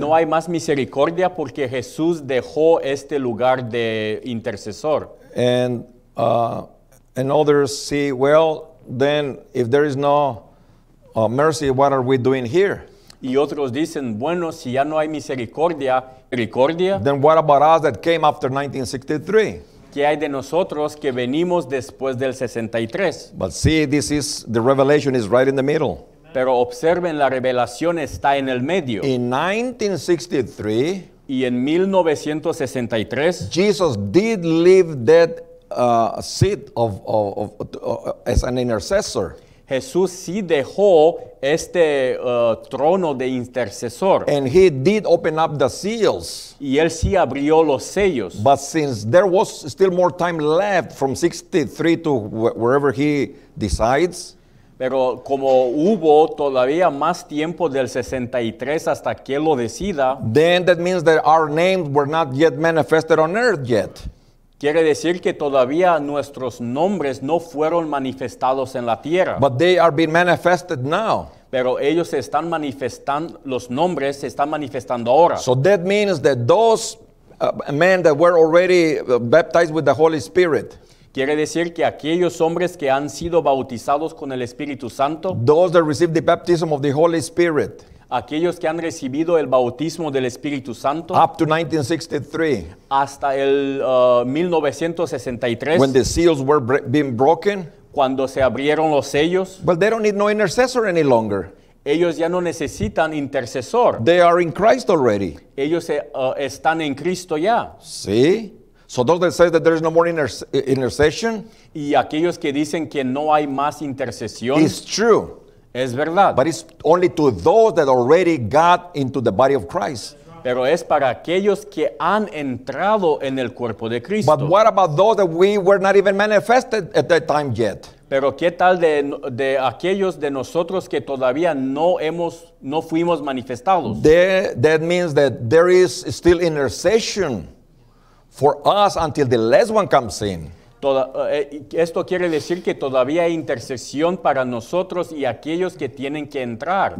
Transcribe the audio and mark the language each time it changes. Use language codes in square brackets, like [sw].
[es] No hay más misericordia porque Jesús dejó este lugar de intercesor. [en] And others see, well, then if there is no mercy, what are we doing here? [es] Y otros dicen, bueno, si ya no hay misericordia. [en] Then what about us that came after 1963? [es] ¿Qué hay de nosotros que venimos después del 63? [en] But see, this is the revelation is right in the middle. [es] Pero observen, la revelación está en el medio. [en] In 1963, [es] y en 1963, [en] Jesus did leave that seat of as an intercessor. [es] Jesús sí dejó este trono de intercesor. [en] And he did open up the seals. [es] Y él sí abrió los sellos. [en] But since there was still more time left from 63 to wherever he decides, [es] pero como hubo todavía más tiempo del 63 hasta que lo decida, [en] then that means that our names were not yet manifested on earth yet. [es] Quiere decir que todavía nuestros nombres no fueron manifestados en la tierra. [en] But they are being manifested now. [es] Pero ellos están manifestando, los nombres se están manifestando ahora. [en] So that means that those men that were already baptized with the Holy Spirit. [es] Quiere decir que aquellos hombres que han sido bautizados con el Espíritu Santo. [en] Those that received the baptism of the Holy Spirit. [es] Aquellos que han recibido el bautismo del Espíritu Santo. [en] Up to 1963. [es] Hasta el 1963. [en] When the seals were being broken. [es] Cuando se abrieron los sellos. [en] Well, they don't need no intercessor any longer. [es] Ellos ya no necesitan intercesor. [en] They are in Christ already. [es] Ellos están en Cristo ya. Sí. [en] So those that say that there is no more intercession. [es] Y aquellos que dicen que no hay más intercesión. [en] It's true. [es] Es verdad. [en] But it's only to those that already got into the body of Christ. [es] Pero es para aquellos que han entrado en el cuerpo de Cristo. [en] But what about those that we were not even manifested at that time yet? [es] Pero qué tal de aquellos de nosotros que todavía no fuimos manifestados. [en] That means that there is still intercession for us until the last one comes in. [es] Esto quiere decir que todavía hay intercesión para nosotros y aquellos que tienen que entrar.